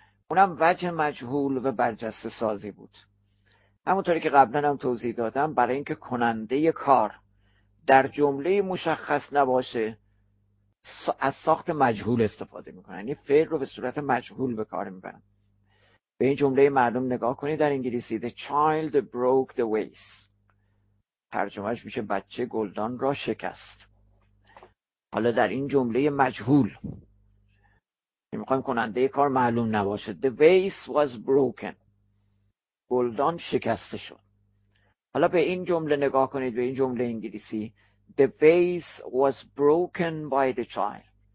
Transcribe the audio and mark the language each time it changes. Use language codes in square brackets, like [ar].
[fa] اونم وجه مجهول و برجسته سازی بود. همونطوری که قبلنم توضیح دادم، برای اینکه کننده کار در جمله مشخص نباشه از ساخت مجهول استفاده میکنن. یعنی فعل رو به صورت مجهول به کار میبرن. به این جمله مردم نگاه کنید در انگلیسی. [en] The child broke the vase. [fa] ترجمهش میشه بچه گلدان را شکست. حالا در این جمله مجهول. میخوایم کننده کار معلوم نباشه. [en] The vase was broken. [fa] گلدان شکسته شد. حالا به این جمله نگاه کنید. به این جمله انگلیسی. [en] The vase was broken by the child.